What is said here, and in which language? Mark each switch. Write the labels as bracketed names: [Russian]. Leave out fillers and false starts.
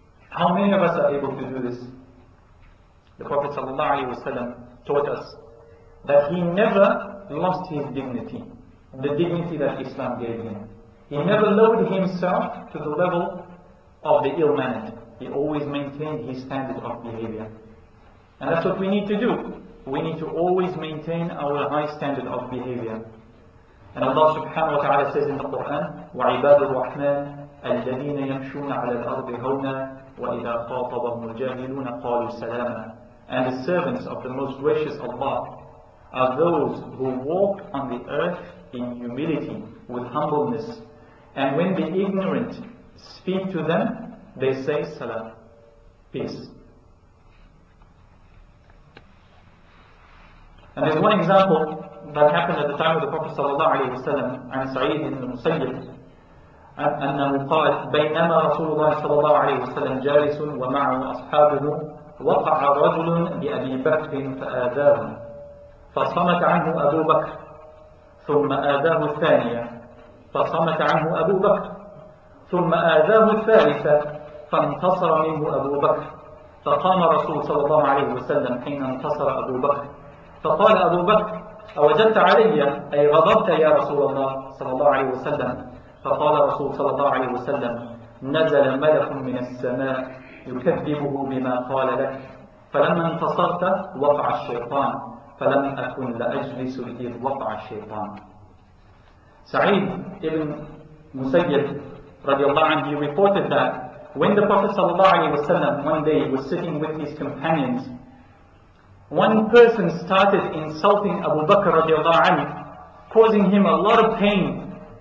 [English] How many of us are able to do this? The Prophet sallallahu alaihi wasallam taught us that he never lost his dignity, the dignity that Islam gave him. He never lowered himself to the level of the ill-mannered. He always maintained his standard of behavior. And that's what we need to do. We need to always maintain our high standard of behavior. And Allah subhanahu wa ta'ala says in the Quran, [Arabic] وَعِبَادُ الرَّحْمَنِ الَّذِينَ يَمْشُونَ عَلَى الْأَرْضِ هَوْنًا وَإِذَا خَاطَبَ الْمُجَاهِلُونَ قَالُوا سَلَامًا. [English] And the servants of the most gracious Allah are those who walk on the earth in humility, with humbleness. And when the ignorant speak to them, they say salam, peace. And there's one example that happened at the time of the Prophet sallallahu alayhi wa sallam, and Sa'id ibn Musayyib, [Arabic] أنه قال بينما رسول الله صلى الله عليه وسلم جالس ومعه أصحابه وقع رجل بأبي بكر فآذاه فصمت عنه أبو بكر ثم آذاه الثانية فصمت عنه أبو بكر ثم آذاه الثالثة فانتصر منه أبو بكر فقام رسول صلى الله عليه وسلم حين انتصر أبو بكر فقال أبو بكر أوجدت علي أي غضبت يا رسول الله صلى الله عليه وسلم فقال رسول صلى الله عليه وسلم نزل ملك من السماء يكذبه بما قال لك فلما انتصرت وقع الشيطان فلم أكن لأجلس إذ وقع الشيطان. [English] سعيد ابن مسيب رضي الله عنه he reported that when the Prophet صلى الله عليه وسلم one day was sitting with his companions, one person started insulting Abu Bakr رضي الله عنه, causing him a lot of pain.